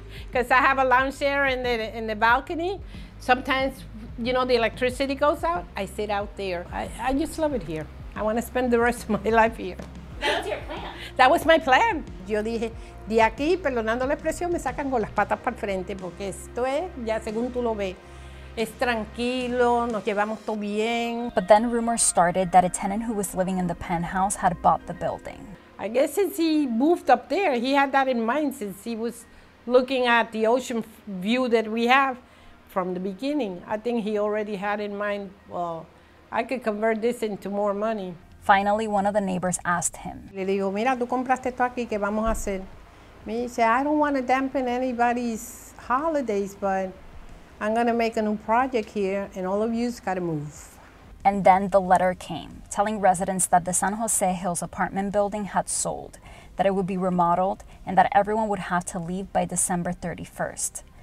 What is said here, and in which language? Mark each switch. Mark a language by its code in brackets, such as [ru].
[en] Because I have a lounge chair in the balcony. Sometimes, you know, the electricity goes out, I sit out there. I just love it here. I want to spend the rest of my life here. That was your plan. That was my plan. [es] Yo dije, de aquí, perdonando la expresión, me sacan con las patas para el frente, porque esto es, ya según tú lo ves, es tranquilo, nos llevamos todo bien. [en] But then rumors started that a tenant who was living in the penthouse had bought the building. I guess since he moved up there, he had that in mind since he was looking at the ocean view that we have from the beginning. I think he already had in mind, well, I could convert this into more money. Finally, one of the neighbors asked him. [es] Le digo, mira, tú compraste esto aquí, ¿qué vamos a hacer? Me dice, [en] I don't want to dampen anybody's holidays, but I'm going to make a new project here, and all of you's got to move. And then the letter came, telling residents that the San Jose Hills apartment building had sold, that it would be remodeled, and that everyone would have to leave by December 31st.